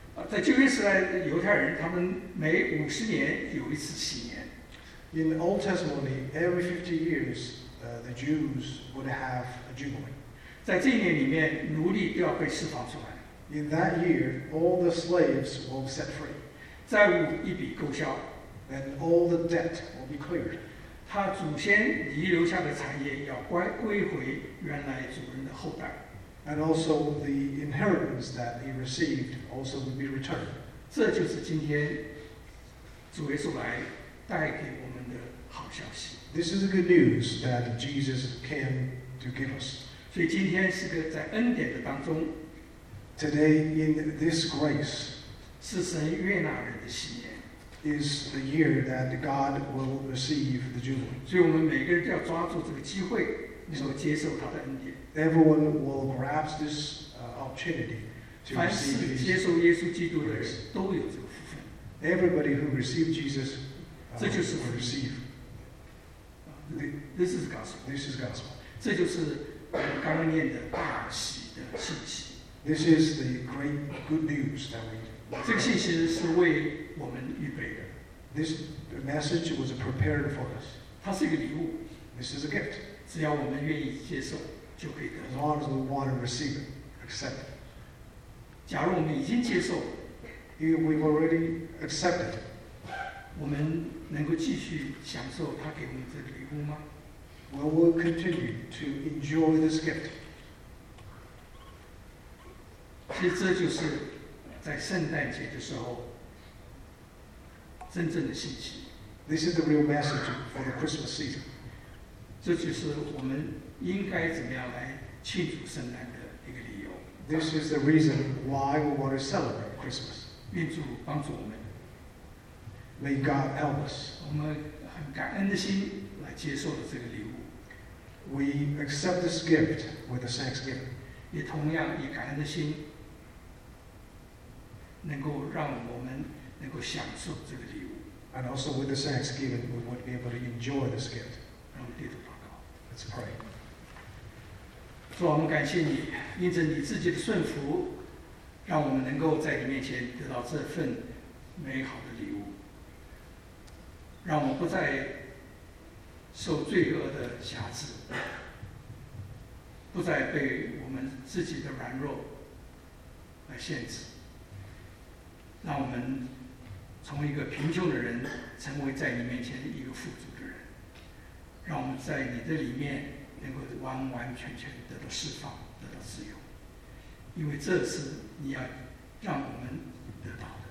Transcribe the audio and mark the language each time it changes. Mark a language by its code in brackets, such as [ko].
[zh] 在旧约时代，犹太人他们每50年有一次禧年。 [en] In the Old Testament, every 50 years, the Jews would have a jubilee. [zh] 在这一年里面，奴隶都要被释放出来。 [en] In that year, all the slaves will be set free. [zh] 债务一笔勾销。 [en] And all the debt will be cleared. [zh] 他祖先遗留下的产业要归回原来主人的后代。 [en] And also the inheritance that he received also will be returned. [zh] 这就是今天主耶稣来带给我们的好消息。 [en] This is the good news that Jesus came to give us. [zh] 所以今天是个在恩典的当中。 [en] Today in this grace, [zh] 是神悦纳人的喜年。 [en] Is the year that God will receive the jubilee. [zh] 所以我们每个人都要抓住这个机会，能够接受他的恩典。 [en] Everyone will grasp this opportunity to receive His grace. [zh] 凡是接受耶稣基督的人都有这个福分。 [en] Everybody who received Jesus. [zh] 这就是 [en] receive. This is gospel. This is gospel. [zh] 这就是我们刚刚念的大喜的信息。 [en] This is the great good news that we. [zh] 这个信息是为我们预备的。 [en] This message was prepared for us. [zh] 它是一个礼物。 [en] This is a gift. [zh] 只要我们愿意接受，就可以得。 [en] As long as we want to receive it, accept it. [zh] 假如我们已经接受， [en] if we've already accepted. [zh] 我们能够继续享受他给我们这个礼物吗？ [en] Well, we'll continue to enjoy this gift. [zh] 其实这就是在圣诞节的时候真正的信息。 [en] This is the real message for the Christmas season. [zh] 这就是我们应该怎么样来庆祝圣诞的一个理由。 [en] This is the reason why we want to celebrate Christmas. [zh] 愿主帮助我们。 [en] May God help us. [zh] 我们很感恩的心来接受了这个礼物。 [en] We accept this gift with a thanksgiving. [zh] 也同样以感恩的心，能够让我们能够享受这个礼物。 [en] And also with the thanksgiving, we would be able to enjoy this gift. [zh] 让我们低头祷告。 [en] Let's pray. [zh] 主，我们感谢你，因着你自己的顺服，让我们能够在你面前得到这份美好的礼物。让我不再受罪恶的辖制，不再被我们自己的软弱来限制，让我们从一个贫穷的人成为在你面前一个富足的人，让我们在你的里面能够完完全全得到释放，得到自由，因为这是你要让我们得到。